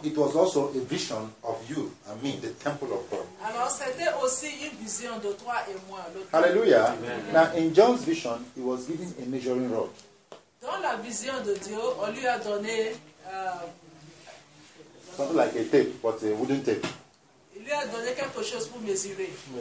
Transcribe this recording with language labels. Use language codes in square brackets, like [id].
[en] It was also a vision of you, I mean, the temple of God. [fr] Alors, c'était aussi une vision de toi et moi. Hallelujah. Amen. [en] Now, in John's vision, he was given a measuring rod. [fr] Dans la vision de Dieu, on lui a donné... [en] Something like a tape, but a wooden tape. [fr] Il lui a donné quelque chose pour mesurer.